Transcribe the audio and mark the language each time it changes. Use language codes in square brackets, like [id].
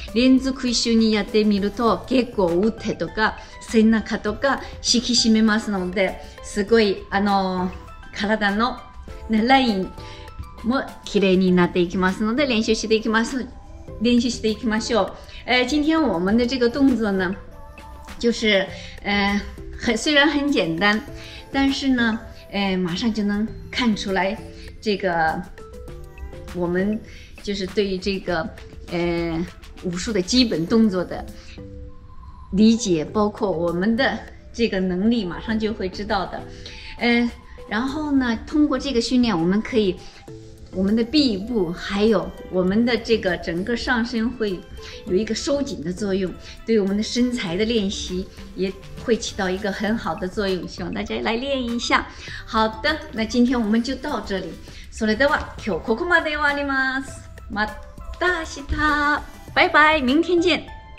[ja] 連続一緒にやってみると結構腕とか背中とか引き締めますので、すごい体の、ね、ラインも綺麗になっていきますので、練習していきます。練習していきましょう。 [zh] 今天我们的这个动作呢就是虽然很简单，但是呢马上就能看出来这个我们就是对于这个武术的基本动作的理解，包括我们的这个能力，马上就会知道的。然后呢通过这个训练，我们可以我们的臂部还有我们的这个整个上身会有一个收紧的作用，对我们的身材的练习也会起到一个很好的作用，希望大家来练一下。好的，那今天我们就到这里。 [ja] それでは今日ここまで終わります。また明日。 [zh] 拜拜，明天见。